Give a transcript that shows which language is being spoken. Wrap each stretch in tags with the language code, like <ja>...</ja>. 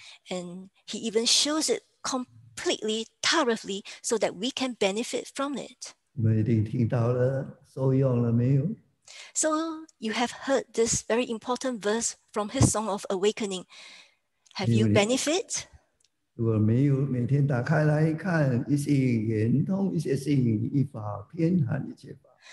<en>And he even shows it completely, thoroughly, so that we can benefit from it.</en> <zh>你们一定听到了, 受用了没有?</zh> <en>So you have heard this very important verse from his Song of Awakening. Have you benefit?</en> <zh>如果没有每天打开来看一些圆通一些性一法偏袒一切法,</zh>